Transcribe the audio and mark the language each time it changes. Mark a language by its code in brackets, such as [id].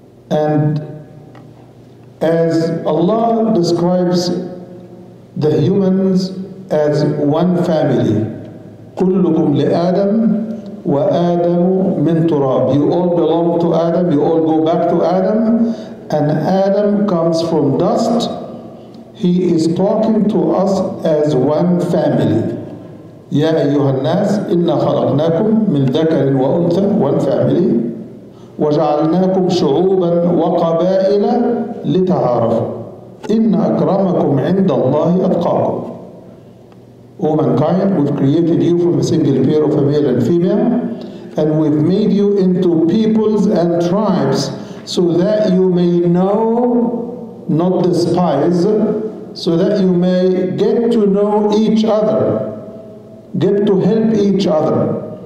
[en] And as Allah describes the humans as one family, [ar] كلكم لآدم وآدم من تراب. [en] You all belong to Adam, you all go back to Adam, and Adam comes from dust. He is talking to us as one family. [ar] يَا أَيُّهَا النَّاسِ إِنَّا خَلَقْنَاكُمْ مِنْ ذَكَرٍ وَأُنْثَى [en] One family. [ar] وَجَعَلْنَاكُمْ شُعُوبًا وَقَبَائِلَ لِتَعَارَفُوا إِنَّ أَكْرَمَكُمْ عِنْدَ اللَّهِ أَتْقَاكُمْ [en] O mankind, we've created you from a single pair of a male and female, and we've made you into peoples and tribes so that you may know, not despise, so that you may get to know each other, get to help each other.